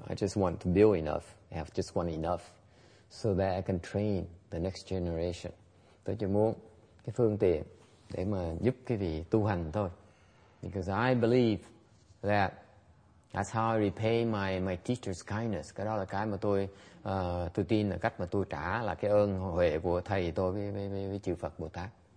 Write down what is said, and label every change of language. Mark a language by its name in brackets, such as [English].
[English] I just want to build enough. I have just want enough so that I can train the next generation. [Vietnamese] Tôi chỉ muốn cái phương tiện để mà giúp cái vị tu hành thôi. [English] Because I believe that that's how I repay my teacher's kindness. [Vietnamese] Cái đó là cái mà tôi tin là cách mà tôi trả là cái ơn huệ của thầy tôi với chư Phật Bồ Tát.